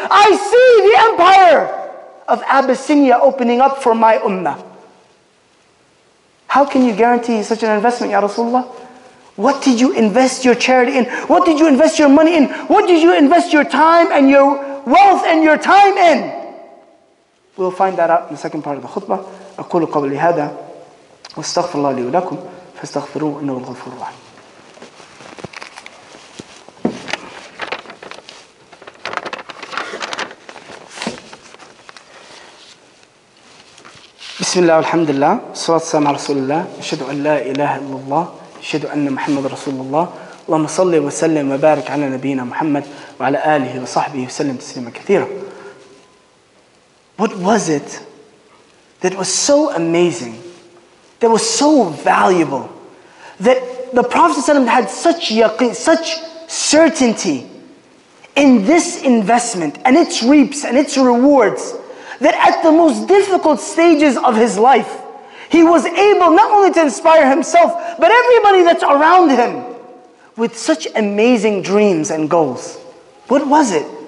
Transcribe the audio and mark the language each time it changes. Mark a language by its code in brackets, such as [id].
[en] I see the empire of Abyssinia opening up for my ummah. How can you guarantee such an investment, Ya Rasulullah? What did you invest your charity in? What did you invest your money in? What did you invest your time and your wealth and your time in? We'll find that out in the second part of the khutbah. [ar] أقول قبلي هذا واستغفر الله لي ولكم فاستغفروه إنه الغفور الرحيم. بسم الله والحمد لله الصلاة والسلام على رسول الله أشهد أن لا إله إلا الله أشهد أن محمد رسول الله اللهم صل وسلم وبارك على نبينا محمد وعلى آله وصحبه وسلم تسليما كثيرا. [en] What was it that was so amazing, that was so valuable, that the Prophet ﷺ had such yaqeen, such certainty in this investment and its reaps and its rewards, that at the most difficult stages of his life, he was able not only to inspire himself, but everybody that's around him with such amazing dreams and goals? What was it?